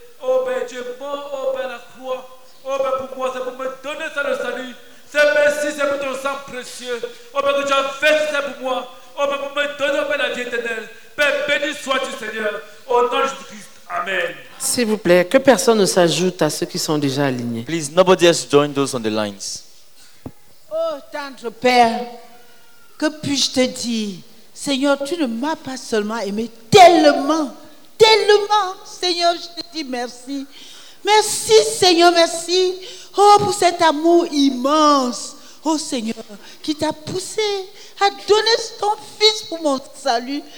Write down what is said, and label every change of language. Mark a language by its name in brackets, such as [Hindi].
[French] Oh Père, tu es mort, oh Père, la croix. Oh Père, pourquoi? C'est pour me donner ça le salut. C'est merci, c'est pour ton sang précieux. Oh Père, que tu as fait ça pour moi. Oh Père, pour me donner, oh Père, la vie éternelle. Père, béni sois-tu, Seigneur. Au nom de Jésus-Christ. Amen. S'il vous plaît, que personne ne s'ajoute à ceux qui sont déjà alignés. [English] Please, nobody has joined those on the lines. [French] Oh, tendre Père, que puis-je te dire? Seigneur, tu ne m'as pas seulement aimé, tellement, tellement. Seigneur, je te dis merci. Merci, Seigneur, merci. Oh, pour cet amour immense. Oh, Seigneur, qui t'a poussé à donner ton fils pour mon salut.